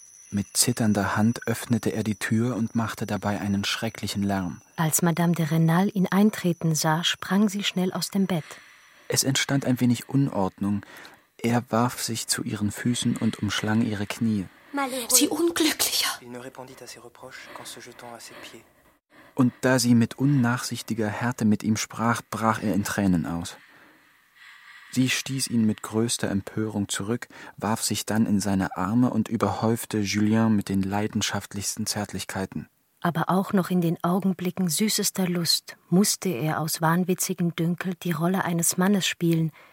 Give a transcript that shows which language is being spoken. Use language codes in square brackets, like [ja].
[de] Mit zitternder Hand öffnete er die Tür und machte dabei einen schrecklichen Lärm. Als Madame de Rênal ihn eintreten sah, sprang sie schnell aus dem Bett. Es entstand ein wenig Unordnung. Er warf sich zu ihren Füßen und umschlang ihre Knie. Sie Unglücklicher! [fr] Il ne répondit à ses reproches qu'en se jetant à ses pieds. [de] Und da sie mit unnachsichtiger Härte mit ihm sprach, brach er in Tränen aus. Sie stieß ihn mit größter Empörung zurück, warf sich dann in seine Arme und überhäufte Julien mit den leidenschaftlichsten Zärtlichkeiten. Aber auch noch in den Augenblicken süßester Lust musste er aus wahnwitzigem Dünkel die Rolle eines Mannes spielen,